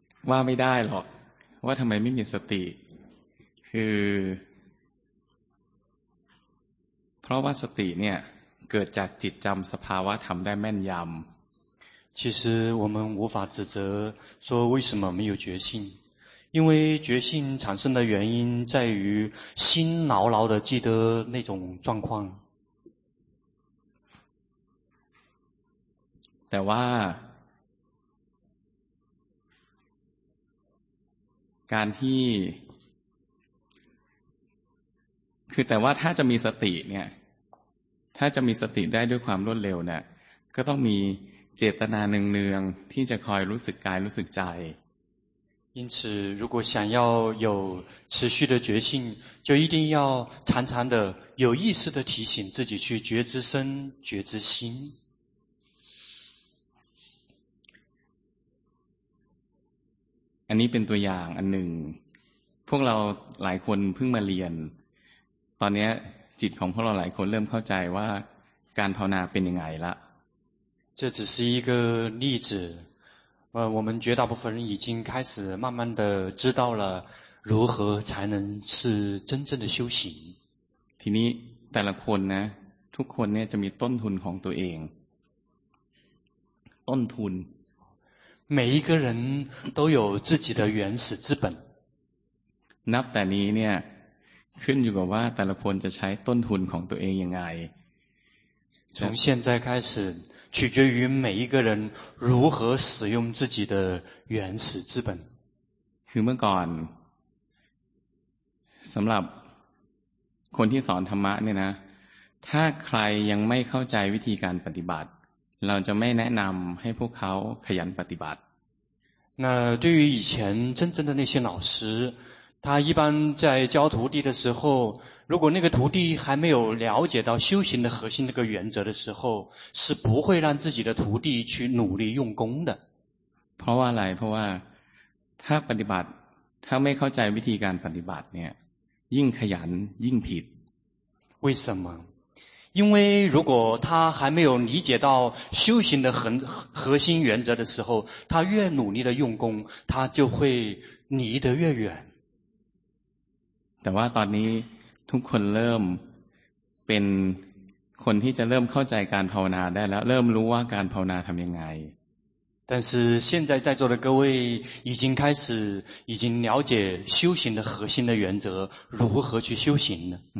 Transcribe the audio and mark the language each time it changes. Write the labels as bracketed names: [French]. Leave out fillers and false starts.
[Thai] ว่าไม่ได้หรอกว่าทำไมไม่มีสติคือเพราะว่าสติเนี่ยเกิดจากจิตจำสภาวะธรรมได้แม่นยำ [Chinese] 其实我们无法指责说为什么没有决心因为决心产生的原因在于心牢牢地记得那种状况 [Thai] แต่ว่าการที่คือแต่ว่าถ้าจะมีสติเนี่ยถ้าจะมีสติได้ด้วยความรวดเร็วเนี่ยก็ต้องมีเจตนาเนืองๆที่จะคอยรู้สึกกายรู้สึกใจ [Chinese] 因此如果想要有持续的决心就一定要常常的有意识的提醒自己去觉知身觉知心 [Thai] อันนี้เป็นตัวอย่างอันหนึ่งพวกเราหลายคนเพิ่งมาเรียนตอนนี้จิตของพวกเราหลายคนเริ่มเข้าใจว่าการภาวนาเป็นยังไงละ [Chinese] 这只是一个例子我们绝大部分人已经开始慢慢的知道了如何才能是真正的修行 [Thai] ทีนี้แต่ละคนนะทุกคนเนี่ยจะมีต้นทุนของตัวเองต้นทุน [Chinese] 每一个人都有自己的原始资本 [Thai] นับแต่นี้เนี่ยขึ้นอยู่กับว่าแต่ละคนจะใช้ต้นทุนของตัวเองยังไง [Chinese] 从现在开始取决于每一个人如何使用自己的原始资本 [Thai] คือเมื่อก่อนสำหรับคนที่สอนธรรมะเนี่ยนะถ้าใครยังไม่เข้าใจวิธีการปฏิบัติเราจะไม่แนะนำให้พวกเขาขยันปฏิบัติ [Chinese] 那对于以前真正的那些老师他一般在教徒弟的时候如果那个徒弟还没有了解到修行的核心那个原则的时候是不会让自己的徒弟去努力用功的 [Thai] เพราะว่าอะไรเพราะว่าถ้าปฏิบัติถ้าไม่เข้าใจวิธีการปฏิบัติเนี่ยยิ่งขยันยิ่งผิด [Chinese] 为什么因为如果他还没有理解到修行的核心原则的时候他越努力的用功他就会离得越远 [Thai] แต่ว่าตอนนี้ทุกคนเริ่มเป็นคนที่จะเริ่มเข้าใจการภาวนาได้แล้วเริ่มรู้ว่าการภาวนาทำยังไง [Chinese] 但是现在在座的各位已经开始已经了解修行的核心的原则如何去修行呢